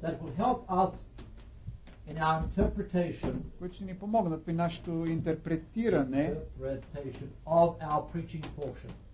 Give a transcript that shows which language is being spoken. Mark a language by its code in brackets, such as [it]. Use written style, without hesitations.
[en] That will help us in our interpretation. [bg] Които ще ни помогнат при нашето интерпретиране. [en] Interpretation of our preaching portion.